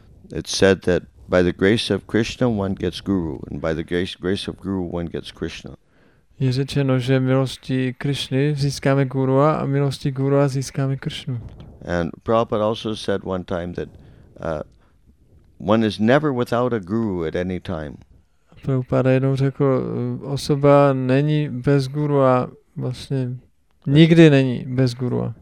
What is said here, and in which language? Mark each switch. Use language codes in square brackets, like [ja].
[en] It's said that by the grace of Krishna one gets guru, and by the grace of guru one gets Krishna. [cs] Je řečeno, že milostí Krishny získáme guru a milostí guru získáme Krishnu. [en] And Prabhupada also said one time that one is never without a guru at any time. [cs] Prabhupada jednou řekl, osoba není bez guru a vlastně nikdy není bez guru.